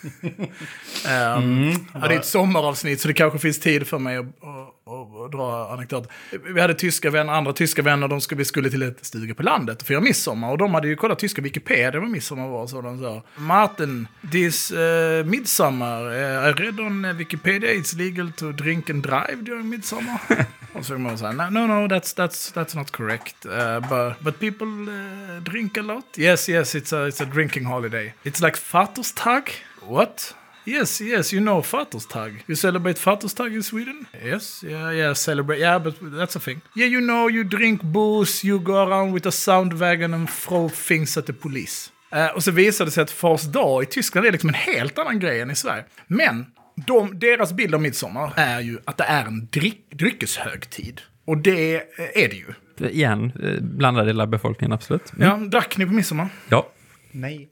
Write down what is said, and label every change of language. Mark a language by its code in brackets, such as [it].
[sv] det är ett sommaravsnitt, så det kanske finns tid för mig att dra anekdot. Vi hade andra tyska vänner, vi skulle till ett stuga på landet för att göra midsommar, och de hade ju kollat tyska Wikipedia vad midsommar var, så de sa, Martin, [en] this midsommar, I read on Wikipedia it's legal to drink and drive during midsommar. [sv] Och så man säga, [en] no, that's not correct, but people drink a lot. Yes, it's a drinking holiday. It's like Fatterstag. What? Yes, you know Fatterstag. You celebrate Fatterstag in Sweden? Yes, celebrate. Yeah, but that's a thing. Yeah, you know, you drink booze, you go around with a sound wagon and throw things at the police. [sv] Och så visade det sig att Fars dag i Tyskland är liksom en helt annan grej än i Sverige. Men deras bild av midsommar är ju att det är en dryckeshögtid. Och det är det ju. Igen, blandad del av befolkningen, absolut. Mm. Ja, drack ni på midsommar? Ja. Nej.